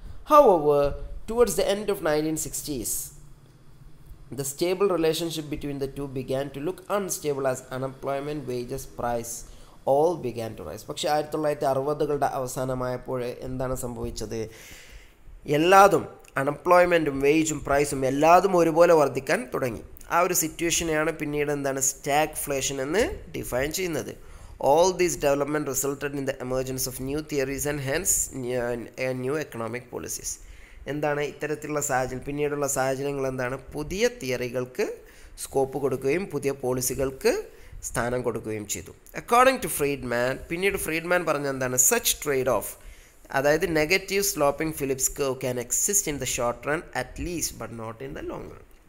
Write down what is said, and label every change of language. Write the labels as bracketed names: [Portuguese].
[English] How over towards the end of 1960s the stable relationship between the two began to look unstable as unemployment wages price all began to rise. [Malayalam] പക്ഷേ 1960s അവസാനമായപ്പോൾ എന്താണ് സംഭവിച്ചത്? എല്ലാതും അൺഎംപ്ലോയ്മെൻറ്റും വേജും പ്രൈസും എല്ലാതും ഒരുപോലെ വർദ്ധിക്കാൻ തുടങ്ങി. ആ ഒരു സിറ്റുവേഷനെയാണ് പിന്നീട് എന്താണ് സ്റ്റാഗ്ഫ്ലേഷൻ എന്ന് ഡിഫൈൻ ചെയ്യുന്നത്. [English] All these developments resulted in the emergence of new theories and hence new economic policies. [Malayalam] എന്താണ് ഇത്തരത്തിലുള്ള സാഹചര്യം, പിന്നീടുള്ള സാഹചര്യങ്ങൾ എന്താണ്? പുതിയ തിയറികൾക്ക് സ്കോപ്പ് കൊടുക്കുകയും പുതിയ പോളിസികൾക്ക് സ്ഥാനം കൊടുക്കുകയും ചെയ്തു. [English] according to Friedman, [Malayalam] പിന്നീട് ഫ്രീഡ്മാൻ പറഞ്ഞ എന്താണ്, [English] Such trade off, അതായത് negative sloping Phillips curve can exist in the short run at least but not in the long run.